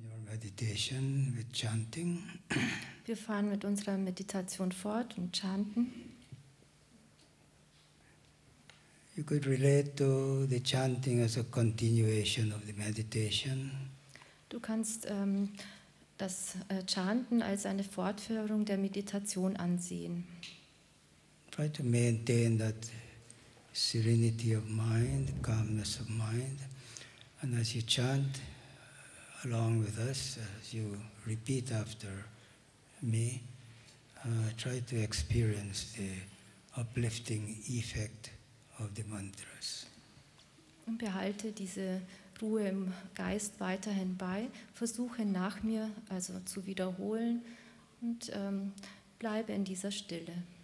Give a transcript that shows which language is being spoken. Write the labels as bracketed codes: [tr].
[en] meditation with chanting. [de] Wir fahren mit unserer Meditation fort und chanten. [en] You could relate to the chanting as a continuation of the meditation. [de] Du kannst das Chanten als eine Fortführung der Meditation ansehen. [en] Try to maintain that serenity of mind, calmness of mind, and as you chant along with us, as you repeat after me, try to experience the uplifting effect of the mantras. [de] Und behalte diese Ruhe im Geist weiterhin bei. Versuche nach mir, also zu wiederholen, und bleibe in dieser Stille.